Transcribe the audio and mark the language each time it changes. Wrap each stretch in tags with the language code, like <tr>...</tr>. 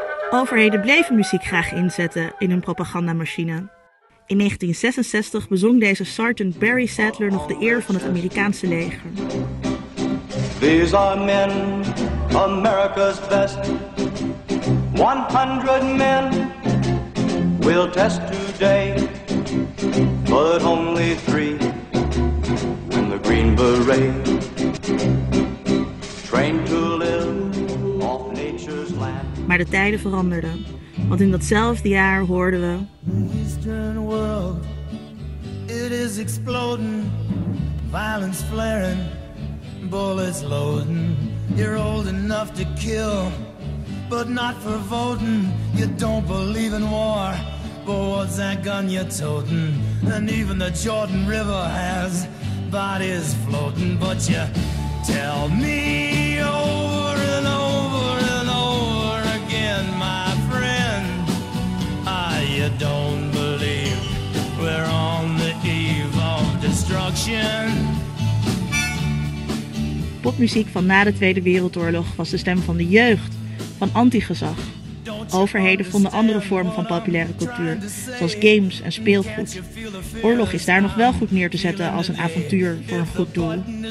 <nl>Overheden bleven muziek graag inzetten in hun propagandamachine. In 1966 bezong deze sergeant Barry Sadler nog de eer van het Amerikaanse leger.</nl> <en>These are men, America's best. 100 men will test today. But only 3 win the Green Beret. Trained to live off nature's land.</en> <nl>Maar de tijden veranderden. Want in datzelfde jaar hoorden we.</nl> <en>Eastern world, it is exploding. Violence flaring. Bullets loading, you're old enough to kill, but not for voting. You don't believe in war, but what's that gun you're toting? And even the Jordan River has bodies floating. But you tell me over and over and over again, my friend, you don't believe we're on the eve of destruction.</en> <nl>Popmuziek van na de Tweede Wereldoorlog was de stem van de jeugd, van anti-gezag. Overheden vonden andere vormen van populaire cultuur, zoals games en speelgoed. Oorlog is daar nog wel goed neer te zetten als een avontuur voor een goed doel.</nl>